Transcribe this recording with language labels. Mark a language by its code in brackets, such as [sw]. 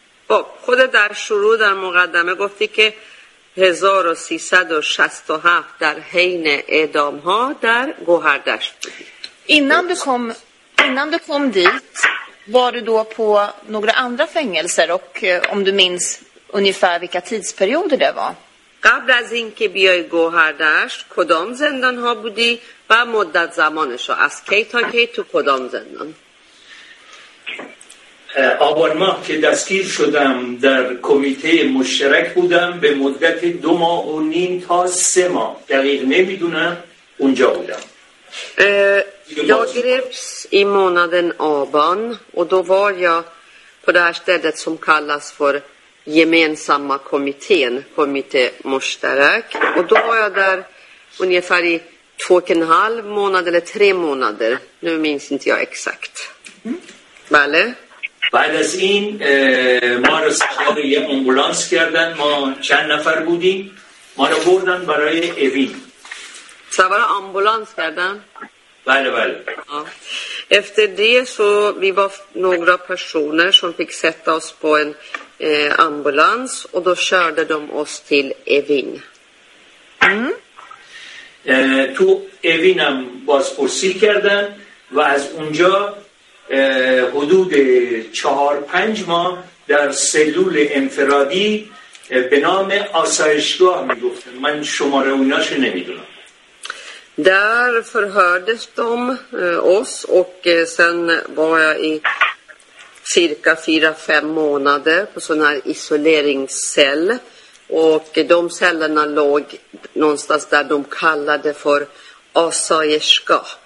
[sv] Och det där shuru dar muqaddame gofti ke 1367 där Heine Edom har där Gohardash. Innan du kom dit var du då på några andra fängelser och om du minns ungefär vilka tidsperioder det var. [fa] قبل از اینکه بیای گوهردشت کدام زندان ها بودی و مدت زمانش از کی تا کی تو کدام زندان؟ آبان ماه که دستگیر شدم در کمیته مشترک بودم به مدت 2.5 تا 3 ماه دقیق نمیدونم اونجا بودم. [sv] Jag greps i månaden Aban och då var jag på det här stället som kallas för gemensamma kommittén, kommitté Mosterak. Och då var jag där ungefär i 2.5 månader eller 3 månader. Nu minns inte jag exakt. Vale? [fa] بعد از این ما رو سوار یه امبولانس کردن، ما چند نفر بودیم، ما رو بردن برای اوین. سوار امبولانس کردن؟ بله بله. [sv] Efter det så vi var några personer som fick sätta oss på en ambulans och då körde de oss till Evin. [fa] تو اوینم بازپرسی کردن و از اونجا حدود 4-5 ماه در سلول انفرادی به نام آسایشگاه می گفتن. من شماره اوناش رو نمیدونم. [sv] Där förhördes de oss och sen var jag i cirka 4-5 månader på sån här isoleringscell. Och de cellerna låg någonstans där de kallade för Asayerska.